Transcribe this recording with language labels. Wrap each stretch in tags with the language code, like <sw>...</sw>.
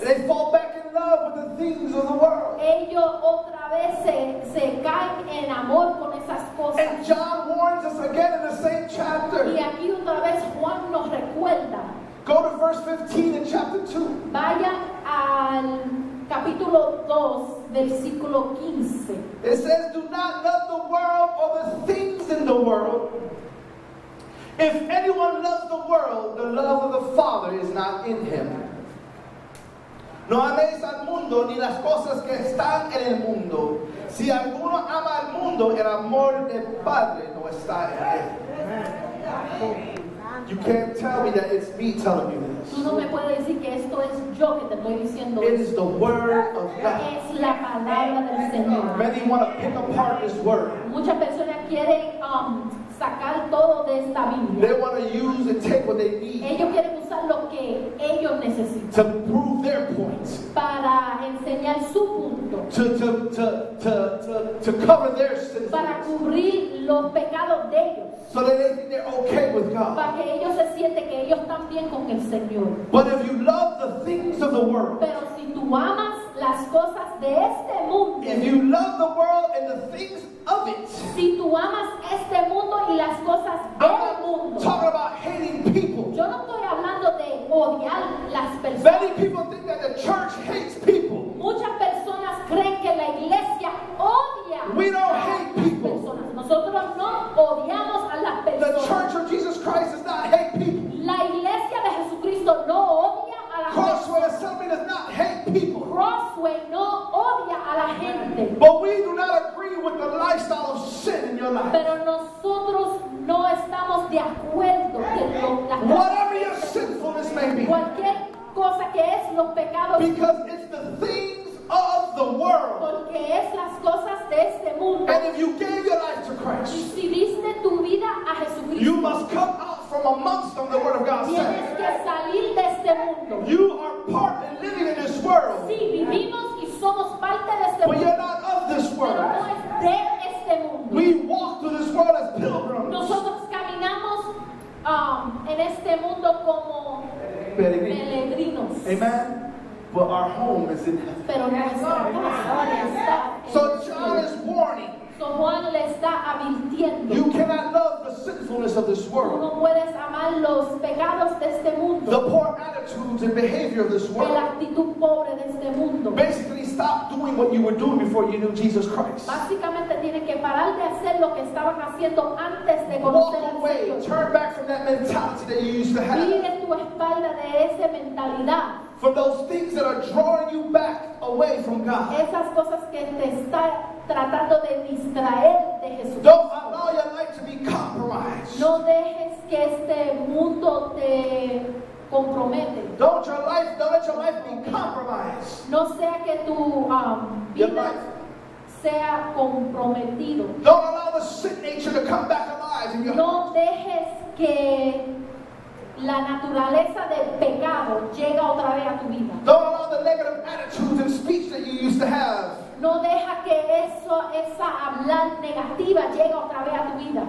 <en>They fall back in love with the things of the world.</en> <es>Ellos otra vez se caen en amor con esas cosas.</es> <en>And John warns us again in the same chapter.</en> <es>Y aquí otra vez Juan nos recuerda.</es> <en>Go to verse 15 in chapter 2.</en> <es>Vaya al capítulo 2, versículo 15.</es> <en>It says, do not love the world or the things in the world. If anyone loves the world, the love of the Father is not in him.</en> <es>No améis al mundo ni las cosas que están en el mundo. Si alguno ama al mundo, el amor del Padre no está en él.</es> <en>You can't tell me that it's me telling you this.</en> <es>Tú no me puedes decir que esto es yo que te estoy diciendo.</es> <en>It is the word of God.</en> <es>Es la palabra del Señor.</es> <en>Many want to pick apart this word.</en> <es>Muchas personas quieren sacar todo de esta Biblia.</es> <en>They want to use and take what they need.</en> <es>Ellos quieren usar lo que ellos necesitan.</es> <en>To prove their points.</en> <es>Para enseñar su punto.</es> <en>To cover their sins.</en> <es>Para cubrir los pecados de ellos.</es> <en>So that they think they're okay with God.</en> <es>Para que ellos se sienten que ellos están bien con el Señor.</es> <en>But if you love the things of the world.</en> <es>Pero si tú amas las cosas de este mundo.</es> <en>If you love the world and the things of it.</en> <es>Si tú amas este mundo y las cosas del mundo.</es> <en>I'm not talking about hating people.</en> <es>Yo no estoy hablando de odiar las personas.</es> <en>Many people think that the church hates people.</en> <es>Muchas personas creen que la iglesia odia.</es> <en>We don't hate people.</en> <es>Nosotros no odiamos a las personas.</es> <en>The Church of Jesus Christ does not hate people.</en> <es>La iglesia de Jesucristo no odia a las personas.</es> <en>Crossway Assembly does not hate people.</en> <es>Crossway no odia a la gente.</es> <en>But we do not agree with the lifestyle of sin in your life.</en> <es>Pero nosotros no estamos de acuerdo con la</es> <en>gente. Whatever your sinfulness may be.</en> <es>Cualquier cosa que es los pecados.</es> <en>Because it's the things of the world.</en> <es>Porque es las cosas de este mundo.</es> <en>And if you gave your life to Christ.</en> <es>Y si diste tu vida a Jesucristo.</es> <en>You must come out from amongst them, the word of God</en> <es>tienes</es> <en>said.</en> <es>Tienes que salir de este mundo.</es> <en>You are part and living in this world.</en> <es>Sí, vivimos y somos parte de este</es> <en>but</en> <es>mundo.</es> <en>But you're not of this world.</en> <es>Pero no es de este mundo.</es> <en>We walk through this world as pilgrims.</en> <es>Nosotros caminamos en este mundo como</es> <en>peregrinos. Amen. But our home is in heaven. So John is warning.</en> <es>So Juan le está advirtiendo.</es> <en>You cannot love the sinfulness of this world.</en> <es>No puedes amar los pecados de este mundo.</es> <en>The poor attitudes and behavior of this world.</en> <es>La actitud pobre de este mundo.</es> <en>Basically, stop doing what you were doing before you knew Jesus Christ.</en> <es>Básicamente tiene que parar de hacer lo que estaban haciendo antes de conocer al Señor.</es> <en>Turn back from that mentality that you used to have.</en> <es>Vire tu espalda de esa mentalidad.</es> <en>For those things that are drawing you back away from God.</en> <es>Esas cosas que te están tratando de distraer de Jesús.</es> <en>Don't allow your life to be compromised.</en> <es>No dejes que este mundo te compromete.</es> <en>Don't let your life be compromised.</en> <es>No sea que tu vida sea comprometido.</es> <en>Don't allow the sin nature to come back alive in your</en> <es>no dejes que la naturaleza del pecado llega otra vez a tu vida.</es> <en>Don't allow the negative attitudes and speech that you used to have.</en> <es>No deja que eso, esa hablar negativa llegue otra vez a tu vida.</es>